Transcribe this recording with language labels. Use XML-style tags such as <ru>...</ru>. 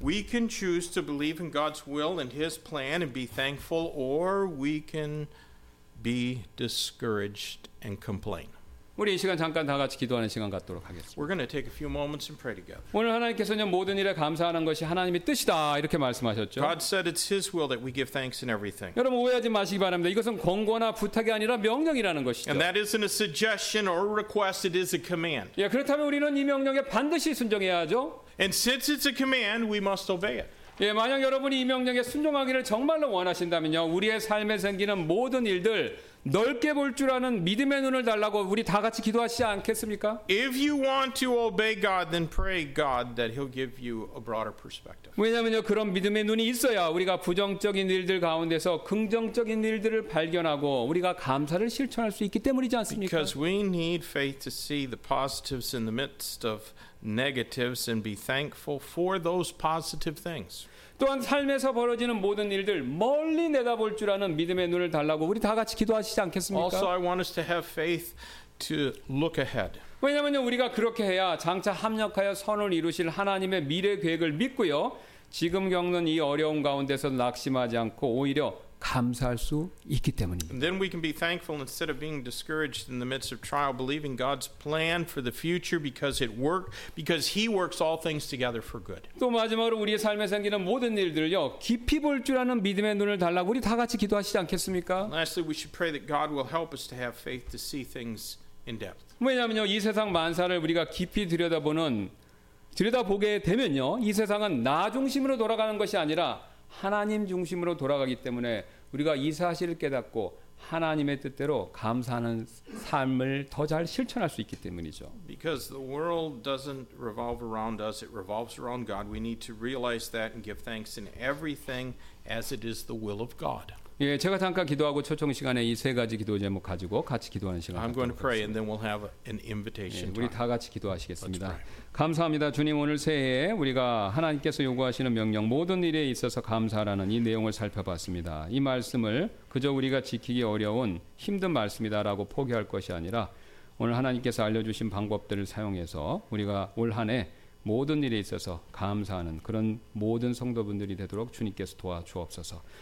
<en>We can choose to believe in God's will and His plan and be thankful, or we can be discouraged and complain.</en> <ko>우리 이 시간 잠깐 다 같이 기도하는 시간 갖도록 하겠습니다.</ko> <en>We're going to take a few moments and pray together.</en> <ko>오늘 하나님께서는 모든 일에 감사하는 것이 하나님의 뜻이다 이렇게 말씀하셨죠.</ko> <en>God said it's His will that we give thanks in everything.</en> <ko>여러분 오해하지 마시기 바랍니다. 이것은 권고나 부탁이 아니라 명령이라는 것이죠.</ko> <en>And that isn't a suggestion or a request. It is a command.</en> <ko>예, 그렇다면 우리는 이 명령에 반드시 순종해야죠.</ko> <en>And since it's a command, we must obey it.</en> <ko>예, 만약 여러분이 이 명령에 순종하기를 정말로 원하신다면요, 우리의 삶에 생기는 모든 일들 넓게 볼 줄 아는 믿음의 눈을 달라고 우리 다 같이 기도하시지 않겠습니까?</ko> <en>If you want to obey God, then pray God that He'll give you a broader perspective.</en> <ko>왜냐하면요, 그런 믿음의 눈이 있어야 우리가 부정적인 일들 가운데서 긍정적인 일들을 발견하고 우리가 감사를 실천할 수 있기 때문이지 않습니까?</ko> <en>Because we need faith to see the positives in the midst of negatives and be thankful for those positive things.</en> <ko>또한 삶에서 벌어지는 모든 일들 멀리 내다볼 줄 아는 믿음의 눈을 달라고 우리 다 같이 기도하시지 않겠습니까?</ko> <en>Also, I want us to have faith to look ahead.</en> <ko>왜냐하면 우리가 그렇게 해야 장차 합력하여 선을 이루실 하나님의 미래 계획을 믿고요. 지금 겪는 이 어려움 가운데서 낙심하지 않고 오히려 감사할 수 있기 때문입니다.</ko> <en>And then we can be thankful instead of being discouraged in the midst of trial, believing God's plan for the future because it worked, because He works all things together for good.</en> <ko>또 마지막으로 우리의 삶에 생기는 모든 일들요, 깊이 볼 줄 아는 믿음의 눈을 달라고 우리 다 같이 기도하시지 않겠습니까?</ko> <en>And lastly, we should pray that God will help us to have faith to see things in depth.</en> <ko>왜냐하면요, 이 세상 만사를 우리가 깊이 들여다보게 되면요, 이 세상은 나 중심으로 돌아가는 것이 아니라 하나님 중심으로 돌아가기 때문에 우리가 이 사실을 깨닫고 하나님의 뜻대로 감사하는 삶을 더 잘 실천할 수 있기 때문이죠.</ko> <en>Because the world doesn't revolve around us, it revolves around God. We need to realize that and give thanks in everything as it is the will of God.</en> <ko>예, 제가 잠깐 기도하고 초청 시간에 이 세 가지 기도 제목 가지고 같이 기도하는 시간</ko> <en>I'm going to pray and then we'll have an invitation.</en> <ko>예, 우리 다 같이 기도하시겠습니다. 감사합니다. 주님 오늘 새해에 우리가 하나님께서 요구하시는 명령 모든 일에 있어서 감사하라는 이 내용을 살펴봤습니다. 이 말씀을 그저 우리가 지키기 어려운 힘든 말씀이다라고 포기할 것이 아니라 오늘 하나님께서 알려주신 방법들을 사용해서 우리가 올 한 해 모든 일에 있어서 감사하는 그런 모든 성도분들이 되도록 주님께서 도와주옵소서.</ko>